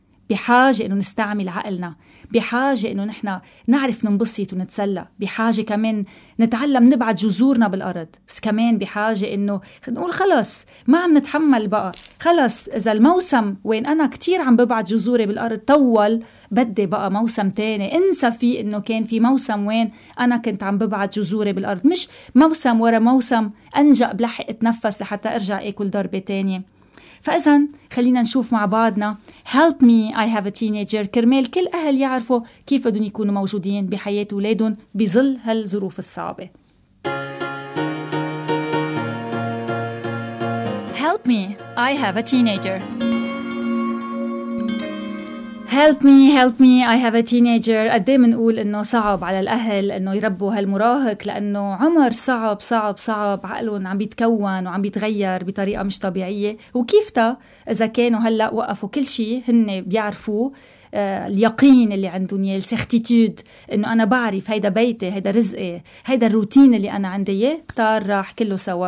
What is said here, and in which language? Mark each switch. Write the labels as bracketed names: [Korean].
[Arabic] بحاجة إنه نستعمل عقلنا، بحاجة إنه نحنا نعرف ننبسط ونتسلى، بحاجة كمان نتعلم نبعد جذورنا بالأرض، بس كمان بحاجة إنه نقول خلص ما عم نتحمل بقى، خلص إذا الموسم وين أنا كتير عم ببعد جذوري بالأرض طول، بدي بقى موسم تاني، انسى فيه انه كان في موسم وين انا كنت عم ببعد جذوري بالارض، مش موسم ورا موسم انجأ بلحق اتنفس لحتى ارجع اكل ضربة تانية. فاذا خلينا نشوف مع بعضنا، [English] help me I have a teenager، [Arabic] كرمال كل اهل يعرفوا كيف بدهم يكونوا موجودين بحياة اولادهم بظل هالظروف الصعبة. [English] help me I have a teenager، Help me, I have a teenager. [Arabic] قدي منقول إنه صعب على الأهل إنه يربوا هالمراهق، لأنه عمر صعب صعب صعب، عقلهم عم بيتكون وعم بيتغير بطريقة مش طبيعية، وكيفتا إذا كانوا هلأ وقفوا كل شيء هن بيعرفوا اليقين اللي عندهم، السيرتيتود إنه أنا بعرف هيدا بيتي، هيدا رزقي، هيدا الروتين اللي أنا عندي، طار راح كله سوا.